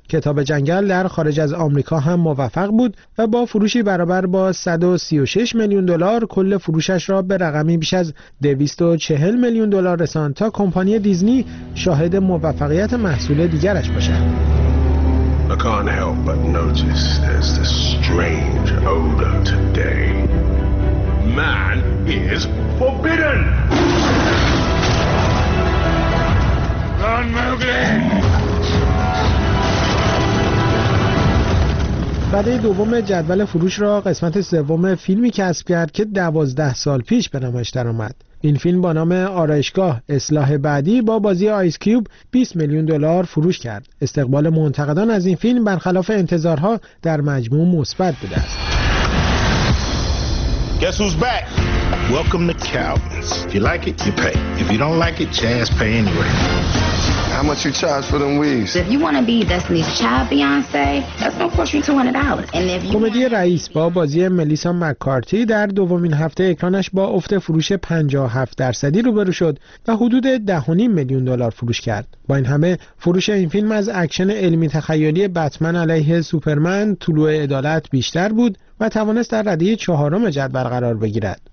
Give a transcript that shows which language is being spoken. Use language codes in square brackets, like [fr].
[fa] کتاب جنگل در خارج از آمریکا هم موفق بود و با فروشی برابر با 136 میلیون دلار کل فروشش را به رقمی بیش از 240 میلیون دلار رساند تا کمپانی دیزنی شاهد موفقیت محصول دیگرش باشد. [en] I can't help but notice there's this strange odor today. Man is forbidden! Run, Mowgli! [fa] بعد دوم جدول فروش را قسمت سوم فیلمی کسب کرد که 12 سال پیش به نمایش درآمد. این فیلم با نام آرایشگاه اصلاح بعدی با بازی آیس کیوب 20 میلیون دلار فروش کرد. استقبال منتقدان از این فیلم برخلاف انتظارها در مجموع مثبت بوده است. [en] Guess who's back? Welcome to Calvin's. If you like it, you pay. If you don't like it, Chaz pay anyway. How much you charge for them weaves? If you want to be Destiny's Child Beyonce, that's gonna cost you $200. And if you [fa] کمدی رئیس با بازی ملیسا مک‌کارتی در دومین هفته اکرانش با افت فروش 57% روبرو شد و حدود 10.5 میلیون دلار فروش کرد. با این همه فروش این فیلم از اکشن علمی تخیلی بتمن علیه سوپرمن طلوع عدالت بیشتر بود و توانست در رده 4 جدول قرار بگیرد.